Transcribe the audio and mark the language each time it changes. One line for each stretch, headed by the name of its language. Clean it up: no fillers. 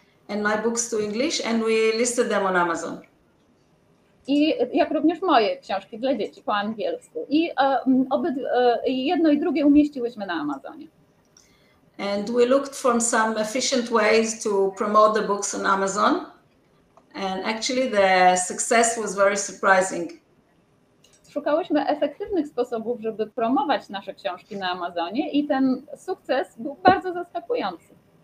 English: And my books to English, and we listed them on Amazon.
Polish: I jak również moje książki dla dzieci po angielsku. I jedno i drugie umieściłyśmy na Amazonie.
English: And we looked for some efficient ways to promote the books on Amazon. And actually the success was very surprising.
Polish: Szukałyśmy efektywnych sposobów, żeby promować nasze książki na Amazonie i ten sukces był bardzo zaskakujący.